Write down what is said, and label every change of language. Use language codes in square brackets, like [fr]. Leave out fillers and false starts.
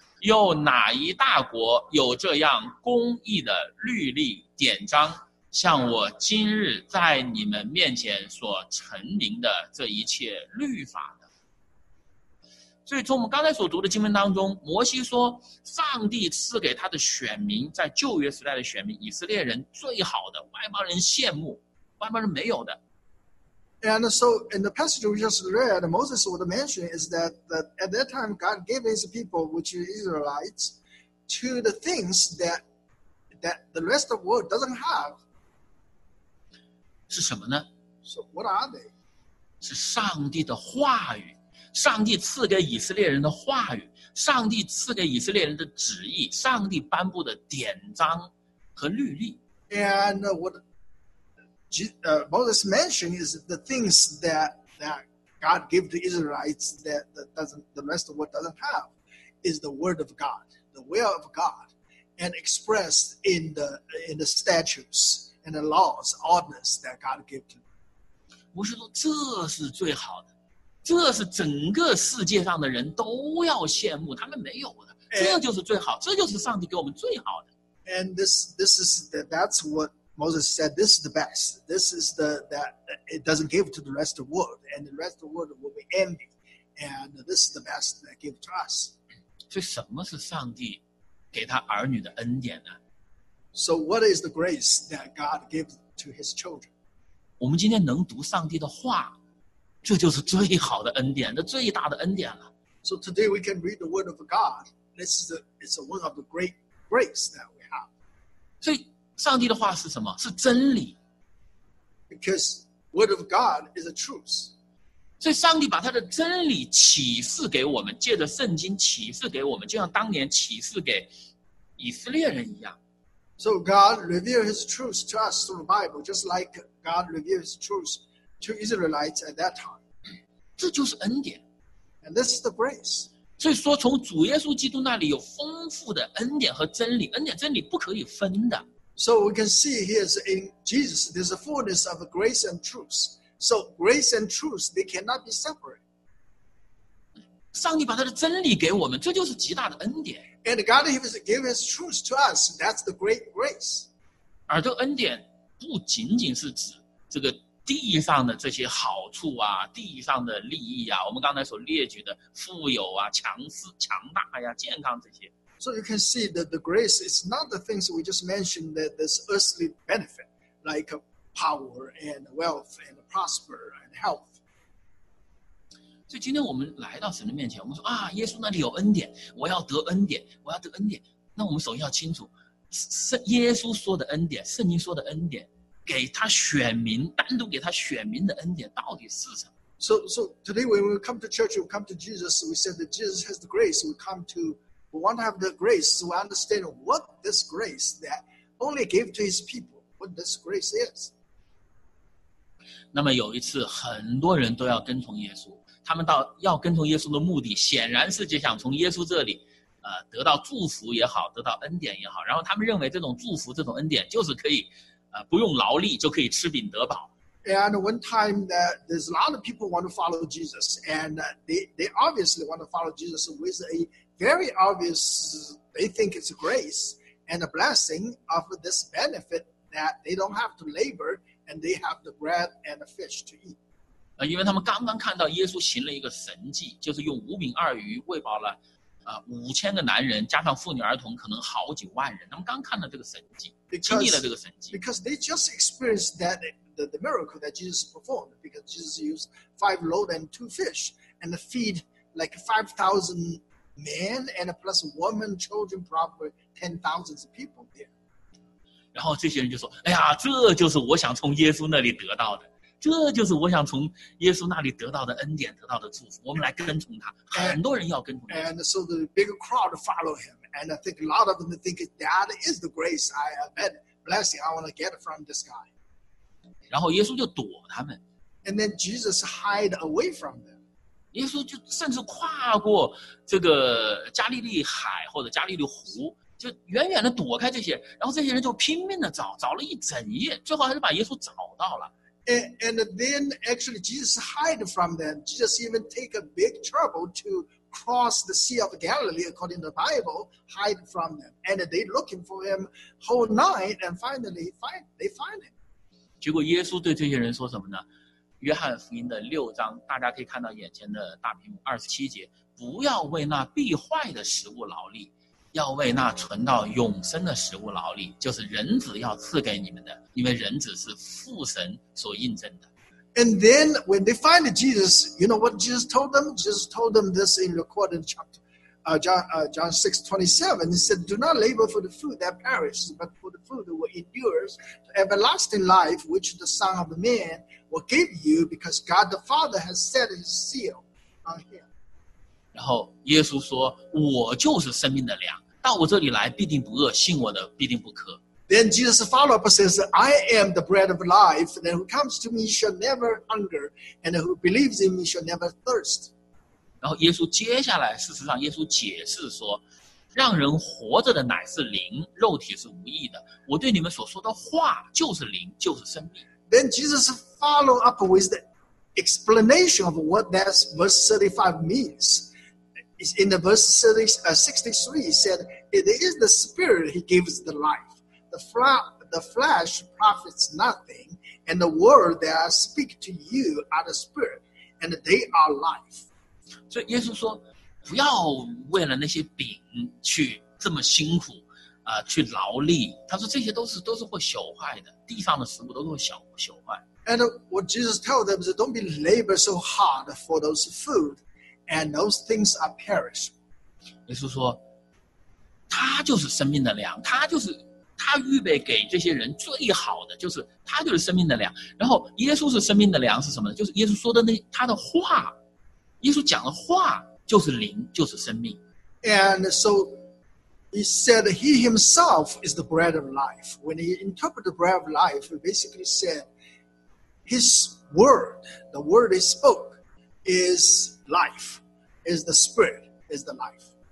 [zh] 又哪一大国有这样公义的律例典章，像我今日在你们面前所陈明的这一切律法呢？所以从我们刚才所读的经文当中，摩西说上帝赐给他的选民，在旧约时代的选民，以色列人最好的，外邦人羡慕，外邦人没有的。 [en] And so in the passage we just read, Moses would mention is that at that time God gave his people, which is Israelites, to the things that the rest of the world doesn't have. [zh] 是什么呢? [en] So what are they? [zh] 是上帝的话语，上帝赐给以色列人的话语，上帝赐给以色列人的旨意，上帝颁布的典章和律例。 [en] And what... Moses mentioned is the things that God gave the Israelites the rest of the world doesn't have is the word of God, the will of God, and expressed in the statutes and the laws, ordinances that God gave to them. [zh] 摩西说这是最好的，这是整个世界上的人都要羡慕，他们没有的，这就是最好，这就是上帝给我们最好的。 [en] And that's what Moses said, this is the best. This is that it doesn't give to the rest of the world, and the rest of the world will be envy. And this is the best that gives to us. [zh] 所以什么是上帝给他儿女的恩典呢? [en] So what is the grace that God gives to his children? [zh] 我们今天能读上帝的话，这就是最好的恩典，这最大的恩典了。 [en] So today we can read the word of God. It's one of the great grace that we have. [zh] 所以上帝的话是什么？是真理。 [en] Because word of God is a truth. [zh] 所以上帝把他的真理启示给我们，借着圣经启示给我们，就像当年启示给以色列人一样。 [en] So God revealed his truth to us through the Bible, just like God revealed his truth to Israelites at that time. [zh] 这就是恩典。 [en] And this is the grace. [zh] 所以说从主耶稣基督那里有丰富的恩典和真理，恩典真理不可以分的。 [en] So we can see here in Jesus, there's a fullness of grace and truth. So grace and truth, they cannot be separate. [zh] 上帝把他的真理给我们，这就是极大的恩典。 [en] And God has given his truth to us. That's the great grace. [zh] 而这恩典不仅仅是指这个地上的这些好处啊，地上的利益啊，我们刚才所列举的富有啊，强大呀，健康这些。 [en] So you can see that the grace is not the things we just mentioned, that this earthly benefit, like power and wealth and prosper and health. [zh] 所以今天我们来到神的面前，我们说啊，耶稣那里有恩典，我要得恩典，我要得恩典。那我们首先要清楚，耶稣说的恩典，圣经说的恩典，给他选民，单独给他选民的恩典到底是什么？ [en] So today when we come to church, we come to Jesus, we said that Jesus has the grace, We want to have the grace, so we understand what this grace that only gave to his people, what this grace is. [zh] 那么有一次，很多人都要跟从耶稣，他们到要跟从耶稣的目的，显然是就想从耶稣这里，得到祝福也好，得到恩典也好。然后他们认为这种祝福、这种恩典就是可以，不用劳力就可以吃饼得饱。 [en] And one time that there's a lot of people want to follow Jesus, and they obviously want to follow Jesus with a very obvious, they think it's a grace and a blessing of this benefit that they don't have to labor and they have the bread and the fish to eat. [zh] 因为他们刚刚看到耶稣行了一个神迹，就是用五饼二鱼喂饱了五千个男人，加上妇女儿童，可能好几万人。他们刚看到这个神迹，经历了这个神迹。 [en] Because they just experienced that the miracle that Jesus performed, because Jesus used 5 loaves and 2 fish and feed like 5,000Man and plus woman, children, probably 10,000 people there. [zh] 然后这些人就说：“哎呀，这就是我想从耶稣那里得到的，这就是我想从耶稣那里得到的恩典，得到的祝福。我们来跟从他。很多人要跟从。 [en] And so the big crowd follow him, and I think a lot of them think that is the grace I bet blessing I want to get from this guy. [zh] 然后耶稣就躲他们。 [en] And then Jesus hide away from them. [zh] 耶稣就甚至跨过这个加利利海或者加利利湖，就远远的躲开这些，然后这些人就拼命的找，找了一整夜，最后还是把耶稣找到了。 [en] And then actually Jesus hide from them. Jesus even take a big trouble to cross the Sea of Galilee according to the Bible, hide from them. And they looking for him whole night, and finally they find him. [zh] 结果耶稣对这些人说什么呢？约翰福音的六章，大家可以看到眼前的大屏幕，27节，不要为那必坏的食物劳力，要为那存到永生的食物劳力，就是人子要赐给你们的，因为人子是父神所印证的。 [en] And then when they find Jesus, you know what Jesus told them? Jesus told them this in recorded chapter, John 6:27. He said, "Do not labor for the food that perishes, but for the food that endures to everlasting life, which the Son of Man." will give you because God the Father has set his seal on him. [zh] 然后耶稣说，我就是生命的粮，到我这里来必定不饿，信我的必定不渴。 [en] Then Jesus follow up says, I am the bread of life, and who comes to me shall never hunger, and who believes in me shall never thirst. [zh] 然后耶稣接下来，事实上耶稣解释说，让人活着的乃是灵，肉体是无益的。我对你们所说的话就是灵，就是生命。 [en] Then Jesus follow up with the explanation of what that verse 35 means. In the verse 63, he said, it is the spirit he gives the life. The flesh profits nothing, and the word that I speak to you are the spirit, and they are life. [zh] 所以耶稣说，不要为了那些饼去这么辛苦，去劳力。他说这些都是会朽坏的，地上的食物都是会朽坏。 [en] And what Jesus told them is, don't be labor so hard for those food, and those things are perish. [zh] 耶稣说，他就是生命的粮，他就是他预备给这些人最好的，就是他就是生命的粮。然后耶稣是生命的粮是什么呢？就是耶稣说的那他的话，耶稣讲的话就是灵，就是生命。 [en] And so he said he himself is the bread of life. When he interpreted the bread of life, he basically said his word, the word he spoke is life, is the spirit, is the life.